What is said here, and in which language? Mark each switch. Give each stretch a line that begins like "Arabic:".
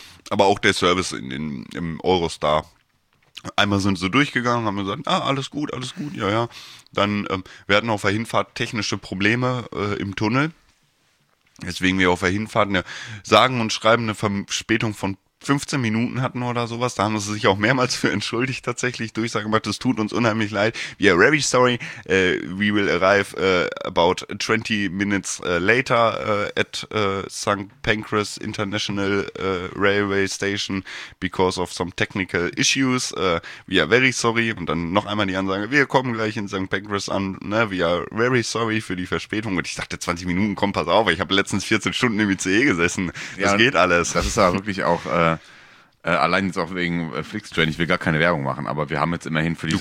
German: Aber auch der Service im Eurostar. Einmal sind sie durchgegangen, haben gesagt, alles gut, ja. Dann, wir hatten auf der Hinfahrt technische Probleme im Tunnel. Deswegen wir auf der Hinfahrt eine sagen und schreiben eine Verspätung von 15 Minuten hatten oder sowas. Da haben sie sich auch mehrmals für entschuldigt tatsächlich. Durchsage gemacht, das tut uns unheimlich leid.
English: We are very sorry, we will arrive about 20 minutes later at St. Pancras International Railway Station because of some technical issues. We are very sorry.
German: Und dann noch einmal die Ansage, wir kommen gleich in St. Pancras an. Ne?
English: We are very sorry
German: für die Verspätung. Und ich dachte, 20 Minuten, komm, pass auf. Ich habe letztens 14 Stunden im ICE gesessen. Das geht alles. Das ist ja wirklich auch... allein jetzt auch wegen Flixtrain, ich will gar keine Werbung machen, aber wir haben jetzt immerhin für diese